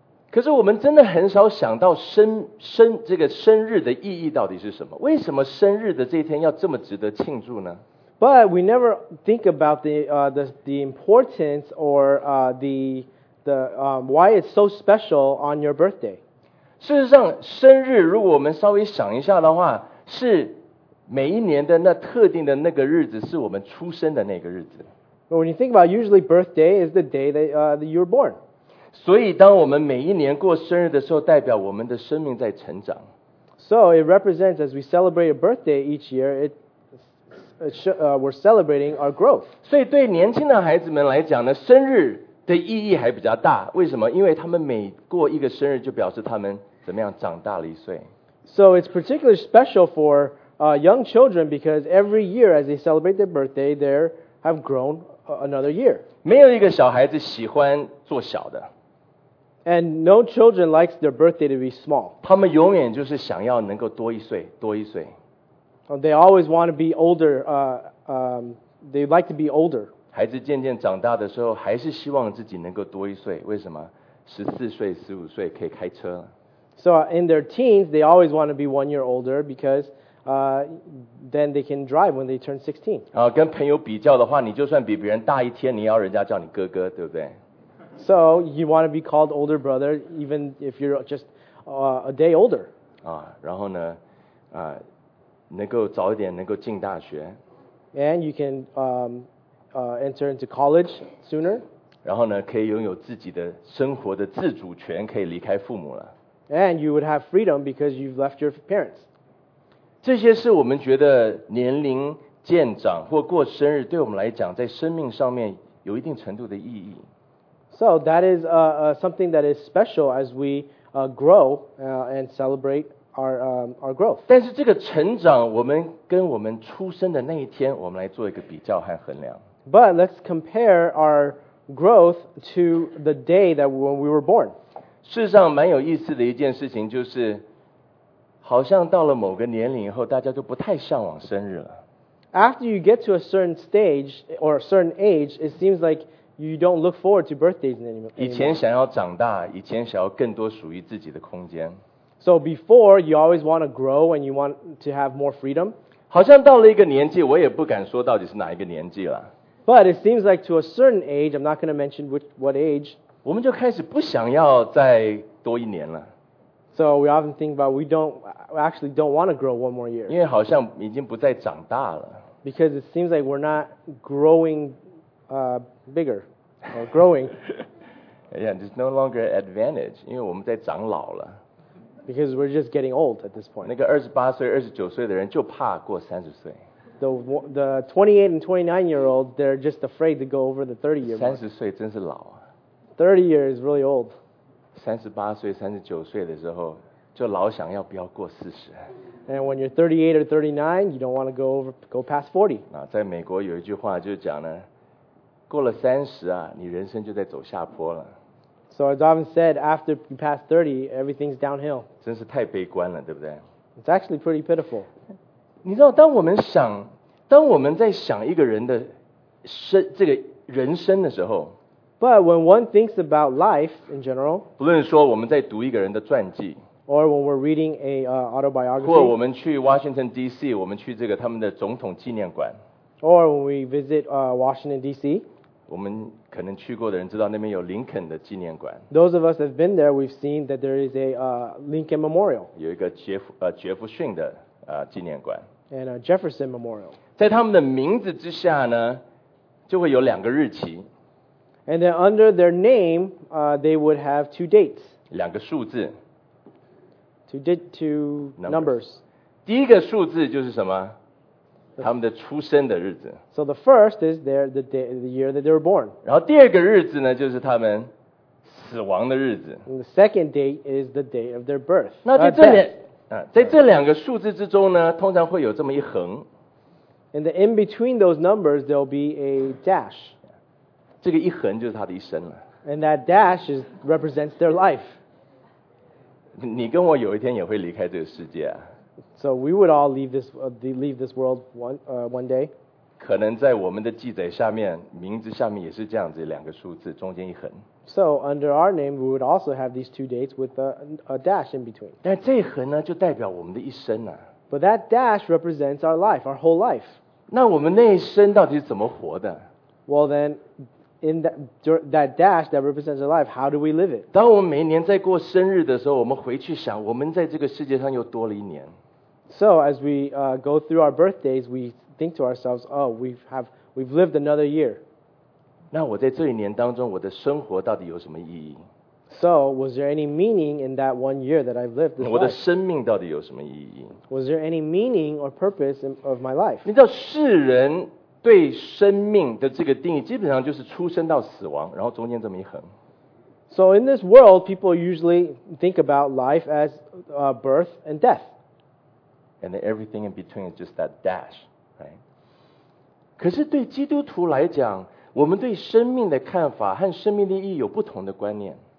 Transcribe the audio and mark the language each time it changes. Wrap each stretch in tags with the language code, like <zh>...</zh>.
<zh>可是我们真的很少想到生日的意义到底是什么？为什么生日的这一天要这么值得庆祝呢？</zh> <en>But we never think about the importance or why it's so special on your birthday.</en> <zh>事实上，生日如果我们稍微想一下的话，是每一年的那特定的那个日子是我们出生的那个日子。</zh> <en>But when you think about it, usually birthday is the day that, that you were born.</en> <zh>所以当我们每一年过生日的时候代表我们的生命在成长。</zh> <en>So it represents as we celebrate a birthday each year, we're celebrating our growth.</en> <zh>所以对年轻的孩子们来讲呢，生日的意义还比较大。为什么？因为他们每过一个生日就表示他们怎么样长大了一岁。</zh> <en>So it's particularly special for young children because every year as they celebrate their birthday, they have grown another year.</en> <zh>没有一个小孩子喜欢做小的。</zh> <en>And no children likes their birthday to be small.</en> <zh>他们永远就是想要能够多一岁，多一岁。</zh> <en>They always want to be older. They like to be older.</en> <zh>孩子渐渐长大的时候，还是希望自己能够多一岁。为什么？14岁、15岁可以开车了。</zh> <en>So in their teens, they always want to be 1 year older because then they can drive when they turn 16.</en> <zh>啊，跟朋友比较的话，你就算比别人大一天，你要人家叫你哥哥，对不对？</zh> <en>So you want to be called older brother even if you're just a day older.</en> <zh>啊，然后呢，啊，能够早一点能够进大学。</zh> <en>And you can enter into college sooner.</en> <zh>然后呢，可以拥有自己的生活的自主权，可以离开父母了。</zh> <en>And you would have freedom because you've left your parents.</en> <zh>这些是我们觉得年龄渐长或过生日对我们来讲在生命上面有一定程度的意义。</zh> <en>So that is something that is special as we grow and celebrate our growth.</en> <zh>但是这个成长，我们跟我们出生的那一天，我们来做一个比较和衡量。</zh> <en>But let's compare our growth to the day that when we were born.</en> <zh>事实上，蛮有意思的一件事情就是，好像到了某个年龄以后，大家都不太向往生日了。</zh> <en>After you get to a certain stage or a certain age, it seems like you don't look forward to birthdays anymore.</en> <zh>以前想要长大，以前想要更多属于自己的空间。</zh> <en>So before, you always want to grow and you want to have more freedom.</en> <zh>好像到了一个年纪，我也不敢说到底是哪一个年纪了。</zh> <en>But it seems like to a certain age, I'm not going to mention what age.</en> <zh>我们就开始不想要再多一年了。</zh> <en>So we often think about we actually don't want to grow one more year.</en> <zh>因为好像已经不再长大了。</zh> <en>Because it seems like we're not growing bigger or growing. Yeah, there's no longer an advantage.</en> <zh>因为我们在长老了。</zh> <en>Because we're just getting old at this point.</en> <zh>那个28岁、29岁的人就怕过30岁。</zh> <en>The 28 and 29 year old, they're just afraid to go over the 30 year mark.</en> <zh>30岁真是老啊。</zh> <en>30 years is really old.</en> <zh>38岁、39岁的时候，就老想要不要过40。</zh> <en>And when you're 38 or 39, you don't want to go past 40.</en> <zh>啊，在美国有一句话就讲呢。过了30啊，你人生就在走下坡了。</zh> <en>So as Darwin said, after you pass 30, everything's downhill.</en> <zh>真是太悲观了，对不对？</zh> <en>It's actually pretty pitiful.</en> <zh>你知道，当我们在想一个人的这个人生的时候，</zh> <en>But when one thinks about life in general,</en> <zh>不论说我们在读一个人的传记，</zh> <en>or when we're reading a autobiography,</en> <zh>或我们去 Washington D.C. 我们去这个他们的总统纪念馆。</zh> <en>Or when we visit Washington D.C.</en> <zh>我们可能去过的人知道那边有林肯的纪念馆。</zh> <en>Those of us that have been there, we've seen that there is a Lincoln Memorial.</en> <zh>有一个杰弗逊的纪念馆。</zh> <en>And a Jefferson Memorial.</en> <zh>在他们的名字之下呢，就会有两个日期。</zh> <en>And then under their name, they would have two dates.</en> <zh>两个数字。</zh> <en>Two numbers.</en> <zh>第一个数字就是什么？他们的出生的日子。</zh> <en>So the first is the year that they were born.</en> <zh>然后第二个日子呢，就是他们死亡的日子。</zh> <en>And the second date is the day of their birth.</en> <zh>那在这两在这两个数字之中呢，通常会有这么一横。</zh> <en>And in between those numbers, there'll be a dash.</en> <zh>这个一横就是他的一生了。</zh> <en>And that dash represents their life.</en> <zh>你跟我有一天也会离开这个世界啊。</zh> <en>So we would all leave this world one day.</en> <zh>可能在我们的记载下面，名字下面也是这样子，两个数字中间一横。</zh> <en>So under our name, we would also have these two dates with a dash in between.</en> <zh>但这一横呢，就代表我们的一生啊。</zh> <en>But that dash represents our life, our whole life.</en> <zh>那我们那一生到底是怎么活的？</zh> <en>Well then, in that dash that represents our life, how do we live it?</en> <zh>当我们每年在过生日的时候，我们回去想，我们在这个世界上又多了一年。</zh> <en>So as we go through our birthdays, we think to ourselves, oh, we've lived another year.</en> <zh>那我在这一年当中，我的生活到底有什么意义？</zh> <en>So was there any meaning in that one year that I've lived this life?</en> <zh>我的生命到底有什么意义？</zh> <en>Was there any meaning or purpose of my life?</en> <zh>你知道世人对生命的这个定义基本上就是出生到死亡，然后中间这么一横。</zh> <en>So in this world, people usually think about life as birth and death. And everything in between is just that dash, right?</en> <zh>可是对基督徒来讲，我们对生命的看法和生命的意义有不同的观念。</zh>